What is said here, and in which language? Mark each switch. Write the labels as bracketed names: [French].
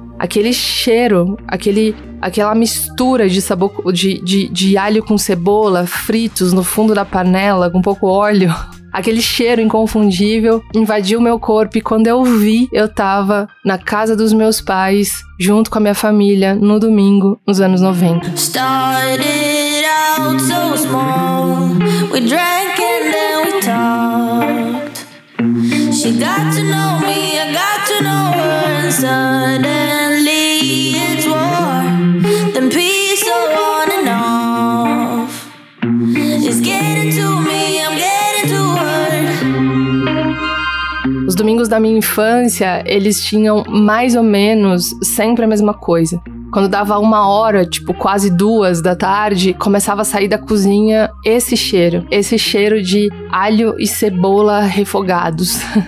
[Portuguese] Aquele cheiro, aquela mistura de alho com cebola, fritos no fundo da panela, com pouco óleo. Aquele cheiro inconfundível invadiu meu corpo e quando eu vi, eu tava na casa dos meus pais, junto com a minha família, no domingo, nos anos 90. [English] Started out so small, we drank and then we talked. She got to know me, I got to know her, and suddenly it's war, then peace so on and off. It's getting to me, I'm getting to her. [Portuguese] Os domingos da minha infância, eles tinham mais ou menos sempre a mesma coisa. Quando dava uma hora, tipo quase duas da tarde, começava a sair da cozinha esse cheiro de alho e cebola refogados.